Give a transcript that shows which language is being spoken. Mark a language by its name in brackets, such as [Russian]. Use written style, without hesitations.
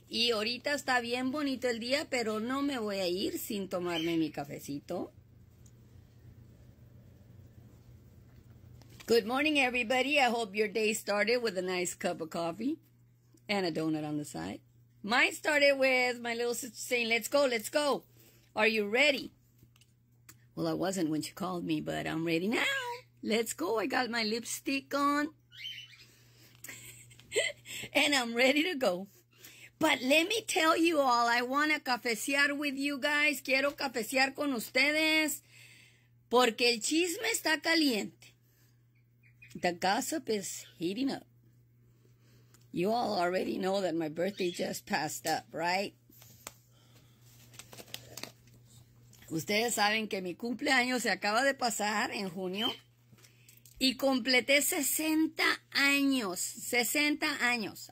[Spanish] Y ahorita está bien bonito el día, pero no me voy a ir sin tomarme mi cafecito. [English] Good morning, everybody. I hope your day started with a nice cup of coffee and a donut on the side. Mine started with my little sister saying, let's go, let's go. Are you ready? Well, I wasn't when she called me, but I'm ready now. Let's go. I got my lipstick on. And I'm ready to go. But let me tell you all, I want to cafeciar with you guys. [Spanish] Quiero cafeciar con ustedes. Porque el chisme está caliente. [English] The gossip is heating up. You all already know that my birthday just passed up, right? [Spanish] Ustedes saben que mi cumpleaños se acaba de pasar en junio y completé 60 años, 60 años.